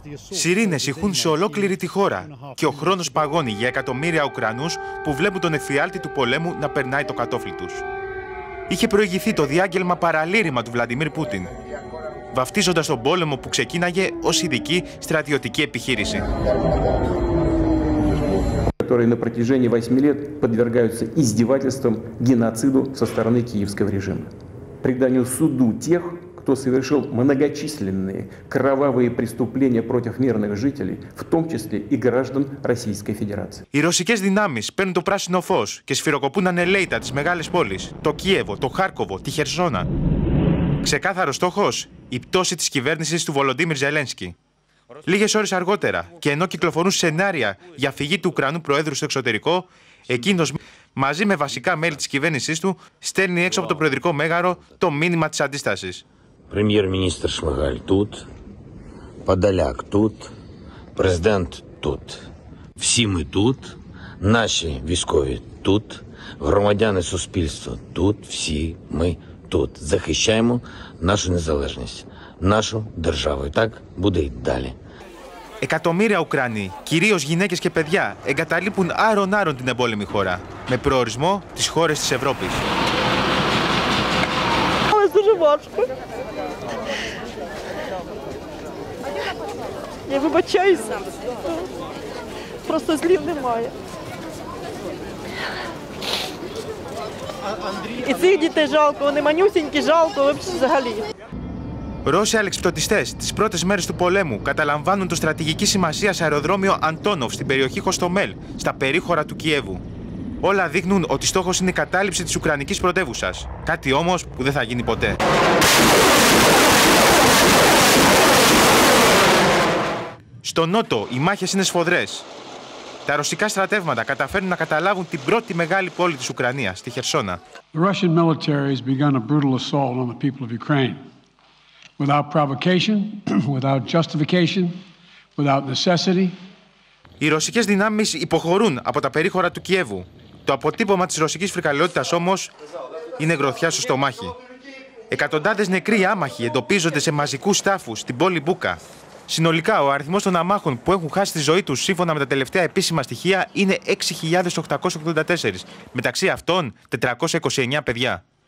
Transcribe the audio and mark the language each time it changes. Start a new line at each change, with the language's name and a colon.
Greek: Σιρήνες ηχούν σε ολόκληρη τη χώρα και ο χρόνος παγώνει για εκατομμύρια Ουκρανούς που βλέπουν τον εφιάλτη του πολέμου να περνάει το κατώφλι τους. Είχε προηγηθεί το διάγγελμα παραλήρημα του Βλαντιμίρ Πούτιν. βαφτίζοντας τον πόλεμο που ξεκίναγε ως ειδική στρατιωτική επιχείρηση.
Russian: Которые на протяжении 8 лет подвергаются издевательствам, геноциду со стороны киевского режима. Преданию суду тех, кто совершил многочисленные кровавые преступления против мирных жителей, в том числе и граждан Российской Федерации.
Greek: Οι ρωσικές δυνάμεις παίρνουν το πράσινο φως και σφυροκοπούν ανελέητα τις μεγάλες πόλεις, το Κίεβο, το Χάρκοβο, τη Χερσόνα. Ξεκάθαρο στόχος, η πτώση της κυβέρνησης του Βολοντίμιρ Ζελένσκι. Λίγες ώρες αργότερα, και ενώ κυκλοφορούν σενάρια για φυγή του Ουκρανού Προέδρου στο εξωτερικό, εκείνος μαζί με βασικά μέλη της κυβέρνησής του στέλνει έξω από το Προεδρικό Μέγαρο το μήνυμα της αντίστασης.
Ukrainian: Πρεμιερ-μινίστρ Σμιχάλη тут, Подоляк тут, президент тут. Всі ми тут, наші військові тут, громадяни суспільства тут, всі ми тут. Захищаємо нашу незалежність. Нашу державу. Так буде й далі.
Greek: Εκατομμύρια Ουκρανοί, κυρίως γυναίκες και παιδιά, εγκαταλείπουν άρον-άρον την εμπόλεμη χώρα, με προορισμό τις χώρες της Ευρώπης. Ρώσοι αλεξιπτωτιστές τις πρώτες μέρες του πολέμου καταλαμβάνουν το στρατηγική σημασία σε αεροδρόμιο Αντόνοφ στην περιοχή Χοστομέλ, στα περίχωρα του Κιέβου. Όλα δείχνουν ότι στόχος είναι η κατάληψη της Ουκρανικής πρωτεύουσας. Κάτι όμως που δεν θα γίνει ποτέ. Στο νότο οι μάχες είναι σφοδρές. Τα ρωσικά στρατεύματα καταφέρνουν να καταλάβουν την πρώτη μεγάλη πόλη της Ουκρανίας, τη Χερσόνα.
English: The Russian military has begun a brutal assault on the people of Ukraine. Without provocation, without justification, without necessity.
Greek: Οι ρωσικές δυνάμεις υποχωρούν από τα περίχωρα του Κιέβου. Το αποτύπωμα της ρωσικής φρικαλαιότητας όμως είναι γροθιά στο στομάχι. Εκατοντάδες νεκροί άμαχοι εντοπίζονται σε μαζικούς τάφους στην πόλη Μπούκα. Συνολικά, ο αριθμός των αμάχων που έχουν χάσει τη ζωή τους σύμφωνα με τα τελευταία επίσημα στοιχεία είναι 6.884, μεταξύ αυτών 429 παιδιά.